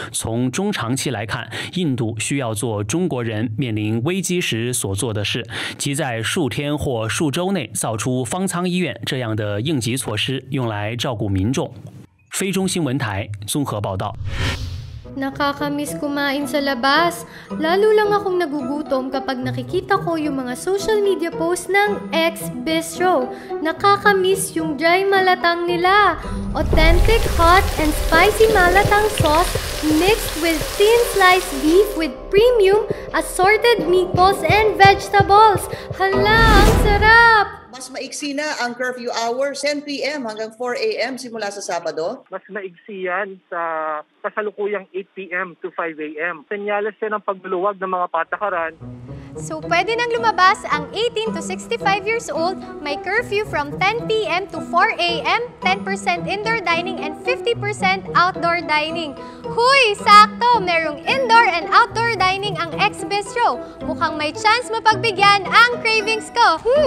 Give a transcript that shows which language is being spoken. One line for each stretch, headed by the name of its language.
Chinese: 从中长期来看，印度需要做中国人面临危机时所做的事，即在数天或数周内造出方舱医院这样的应急措施，用来照顾民众。非中新闻台综合报道。
Filipino: Nakakamiss kumain sa labas. Lalo lang akong nagugutom kapag nakikita ko yung mga social media posts ng ex-bistro. Nakakamiss yung dry malatang nila.
English: Authentic hot and spicy malatang sauce mixed with thin sliced beef with premium assorted meatballs and vegetables.
Filipino: Hala, ang sarap! Mas maiksi na ang curfew hours, 10 p.m. hanggang 4 a.m. simula sa Sabado. Mas maiksi yan sa kasalukuyang 8 p.m. to 5 a.m. Senyales yan ang pagluluwag ng mga patakaran. So pwede nang lumabas ang 18 to 65 years old, may curfew from 10 p.m.
English: to 4 a.m., 10% indoor dining and 50% outdoor dining.
Filipino: Huy! Sakto! Merong
English: indoor and outdoor dining
Filipino: ang ex-bistro. Mukhang may chance mapagbigyan ang cravings ko.